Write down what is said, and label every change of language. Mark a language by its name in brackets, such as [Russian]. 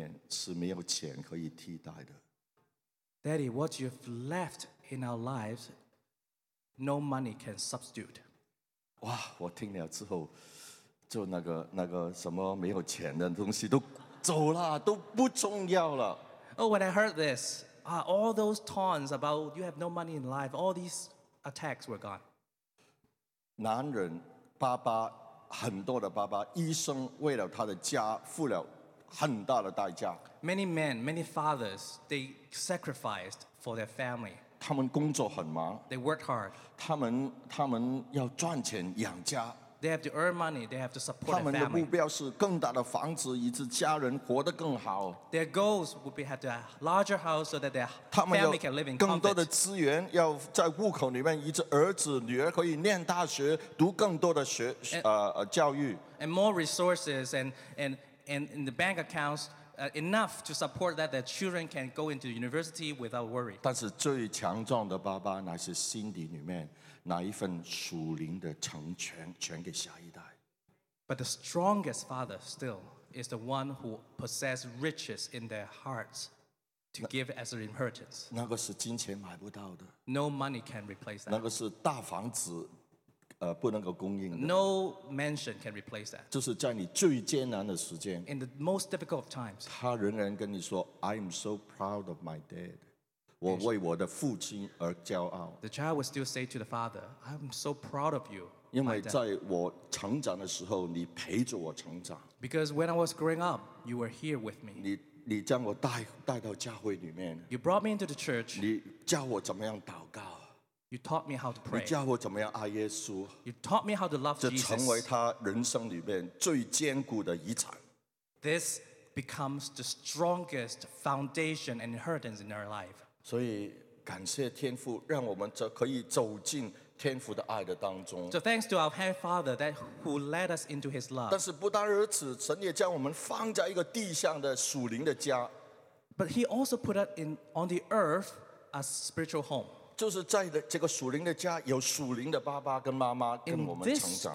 [Chinese] 你留给我们在我们生命里面是没有钱可以替代的。 [English] Daddy， what you've left in our lives， no money can substitute. [Chinese] 哇，我听了之后，就那个什么没有钱的东西都走了，都不重要了。 [English] Oh， when I heard this， all those taunts about you have no money in life， all these attacks were gone. [Chinese] 男人，爸爸，很多的爸爸一生为了他的家付了很大的代价。 [English] Many men, many fathers, they sacrificed for their family. [Chinese] 他们工作很忙。 [English] They worked hard. [Chinese] 他们要赚钱养家。 [English] They have to earn money. They have to support their family. [Chinese] 他们的目标是更大的房子，以致家人活得更好。 [English] Their goals would be have to a larger house so that their family can live in comfort. [Chinese] 更多的资源要在户口里面，以致儿子女儿可以念大学，读更多的学教育。 [English] And more resources and in the bank accounts enough to support that their children can go into university without worry. [Chinese] 但是最强壮的爸爸乃是心底里面。拿一份属灵的成全全给下一代。 [English] But the strongest father still is the one who possesses riches in their hearts to give as an inheritance. [Chinese] 那个是金钱买不到的。 [English] No money can replace that. [Chinese] 那个是大房子，不能够供应的。 [English] No mansion can replace that. [Chinese] 就是在你最艰难的时间。 [English] In the most difficult times. [Chinese] 他仍然跟你说 ， [English] I'm so proud of my dad. [Chinese] 我为我的父亲而骄傲。 [English] The child would still say to the father, "I'm so proud of you." [Chinese] 因为在我成长的时候，你陪着我成长。 [English] Because when I was growing up, you were here with me. [Chinese] 你将我带到教会里面。 [English] You brought me into the church. [Chinese] 你教我怎么样祷告。 [English] You taught me how to pray. [Chinese] 你教我怎么样爱耶稣。 [English] You taught me how to love Jesus. [Chinese] 这成为他人生里面最坚固的遗产。 [English] This becomes the strongest foundation and inheritance in our life. [Chinese] 所以感谢天父，让我们可以走进天父的爱的当中。 [English] So thanks to our Heavenly Father that who led us into His love. [Chinese] 但是不单如此，神也将我们放在一个地上的属灵的家。 [English] But He also put us in on the earth a spiritual home. [Chinese] 就是在这个属灵的家，有属灵的爸爸跟妈妈跟我们成长。